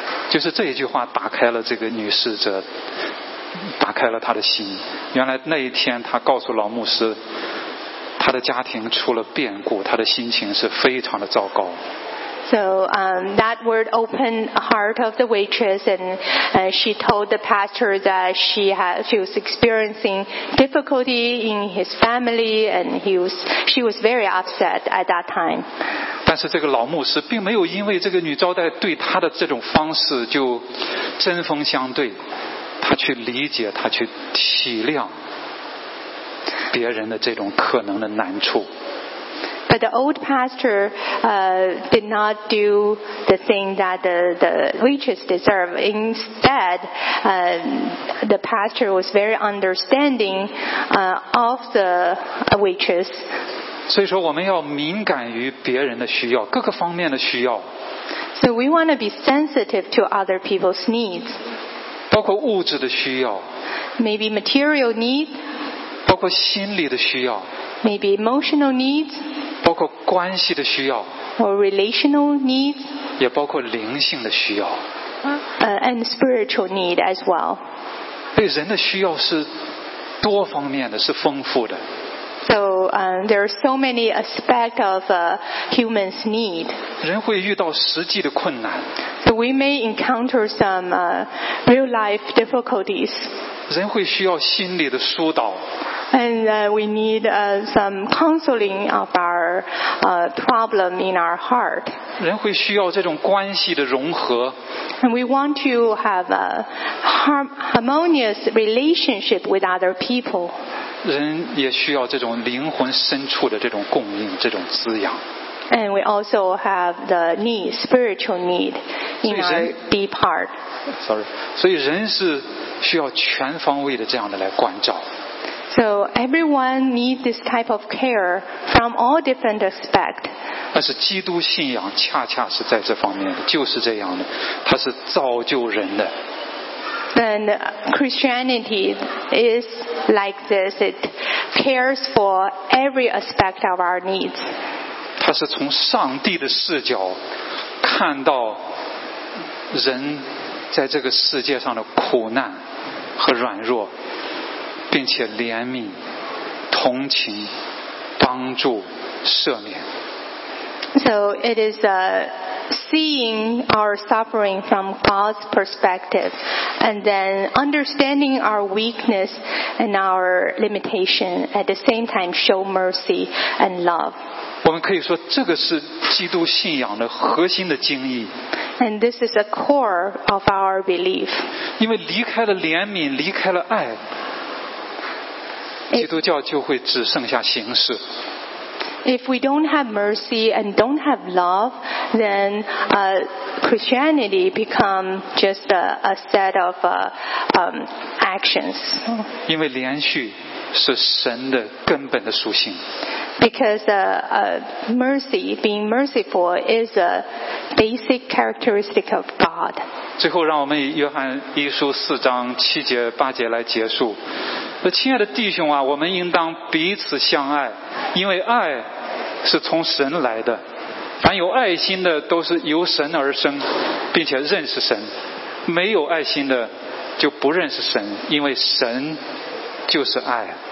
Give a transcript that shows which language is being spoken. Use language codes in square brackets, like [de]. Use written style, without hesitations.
[zh] 就是这一句话打开了这个女侍者，打开了她的心。原来那一天她告诉老牧师，她的家庭出了变故，她的心情是非常的糟糕。 [en] So that word opened the heart of the waitress, and she told the pastor that she was experiencing difficulty in his family, and she was very upset at that time. [zh] 但是这个老牧师并没有因为这个女招待对他的这种方式就针锋相对，他去理解，他去体谅别人的这种可能的难处。 [en] But the old pastor did not do the thing that the waitress deserved. Instead, the pastor was very understanding of the waitress. [zh] 所以说我们要敏感于别人的需要各个方面的需要 [en] So we want to be sensitive to other people's needs [zh] 包括物质的需要 [en] Maybe material needs [zh] 包括心理的需要 [en] Maybe emotional needs [zh] 包括关系的需要 [en] Or relational needs [zh] 也包括灵性的需要 [en] And spiritual need as well [zh] 对人的需要是多方面的是丰富的 [en] So, there are so many aspects of a human's need. [zh] 人会遇到实际的困难。 [en] So we may encounter some real life difficulties. [zh] 人会需要心理的疏导。 [en] And we need some counseling of our problem in our heart. [zh] 人会需要这种关系的融合。 [en] And we want to have a harmonious relationship with other people. [zh] 人也需要这种灵魂深处的这种供应，这种滋养。 [en] And we also have the need, spiritual need in our deep heart. Sorry. [zh] 所以人是需要全方位的这样的来关照。 [en] So everyone needs this type of care from all different aspects. [zh] 但是基督信仰恰恰是在这方面的，就是这样的，它是造就人的。 [en] And Christianity is like this. It cares for every aspect of our needs. [zh] 它是从上帝的视角看到人在这个世界上的苦难和软弱，并且怜悯、同情、帮助、赦免。 [en] So it is a seeing our suffering from God's perspective and then understanding our weakness and our limitation at the same time show mercy and love. [zh] 我们可以说这个是基督信仰的核心的精义。 [en] And this is the core of our belief. [zh] 因为离开了怜悯，离开了爱，基督教就会只剩下形式。 [en] If we don't have mercy and don't have love, then Christianity becomes just a set of actions. [zh] 因为连续是神的根本的属性。 [en] Because mercy, being merciful, is a basic characteristic of God. [zh] 最后，让我们以约翰一书四章七节八节来结束。那亲爱的弟兄啊，我们应当彼此相爱，因为爱。是从神来的，凡有爱心的都是由神而生，并且认识神；没有爱心的就不认识神，因为神就是爱。